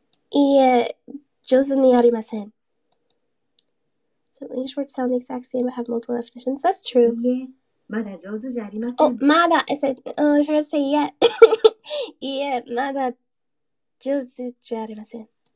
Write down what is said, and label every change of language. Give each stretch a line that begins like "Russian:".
Japanese: いや、上手にありません。
English: So English words sound the exact same but have multiple definitions. That's true.
Japanese: いや、まだ上手じゃありません。
English: Oh,
Japanese: まだ。
English: I said, I forgot to say yet.
Japanese: いや、まだ上手じゃありません。